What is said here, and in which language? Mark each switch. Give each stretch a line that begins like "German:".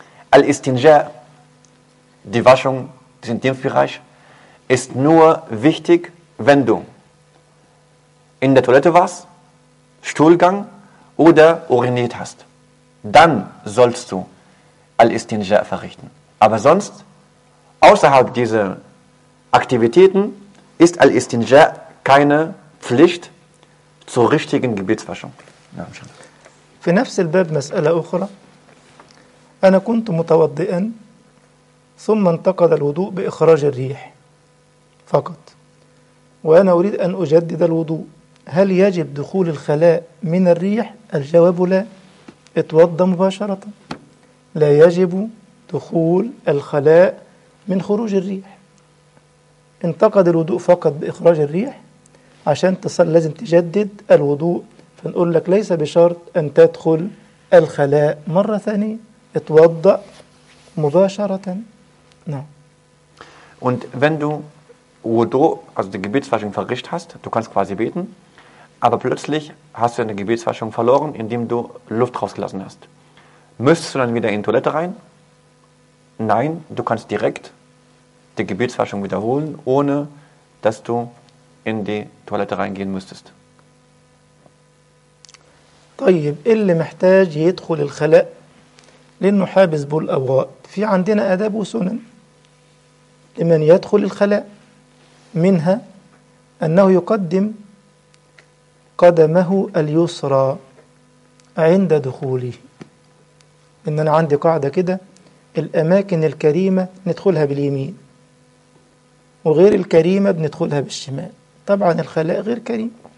German: Al-Istinja, die Waschung des Intimbereichs, ist nur wichtig, wenn du in der Toilette warst, Stuhlgang oder uriniert hast. Dann sollst du Al-Istinja verrichten. Aber sonst, außerhalb dieser Aktivitäten, ist Al-Istinja keine Pflicht zur richtigen Gebetswaschung.
Arabic: في نفس الباب مسألة أخرى. أنا كنت متوضئا ثم انتقض الوضوء بإخراج الريح فقط، وأنا أريد أن أجدد الوضوء، هل يجب دخول الخلاء من الريح؟ الجواب لا، اتوضأ مباشرة، لا يجب دخول الخلاء من خروج الريح. انتقد الوضوء فقط بإخراج الريح، عشان تصل لازم تجدد الوضوء، فنقول لك ليس بشرط أن تدخل الخلاء مرة ثانية، اتوضأ مباشرة. نعم.
German: Und wenn du Wudu, also die Gebetswaschung, verrichtet hast, du kannst quasi beten, aber plötzlich hast du deine Gebetswaschung verloren, indem du Luft rausgelassen hast. Müsstest du dann wieder in die Toilette rein? Nein, du kannst direkt die Gebetswaschung wiederholen, ohne dass du in die Toilette reingehen müsstest.
Arabic: طيب اللي محتاج يدخل الخلاء لأنه حابس بالأبواب في عندنا أداب وسنن لمن يدخل الخلاء منها أنه يقدم قدمه اليسرى عند دخوله إن أنا عندي قاعدة كده الأماكن الكريمة ندخلها باليمين وغير الكريمة بندخلها بالشمال طبعا الخلاء غير كريم